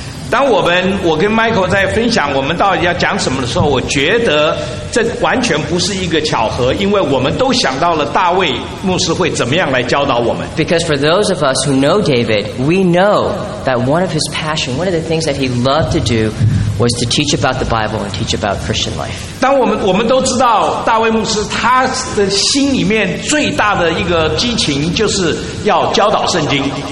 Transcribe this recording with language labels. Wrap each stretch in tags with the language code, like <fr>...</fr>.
<zh>当我们我跟 Michael 在分享我们到底要讲什么的时候，我觉得这完全不是一个巧合，因为我们都想到了大卫牧师会怎么样来教导我们。</zh> <en>Because for those of us who know David, we know that one of his passion, one of the things that he loved to do, was to teach about the Bible and teach about Christian life.</en> <zh>当我们都知道大卫牧师他的心里面最大的一个激情就是要教导圣经。</zh>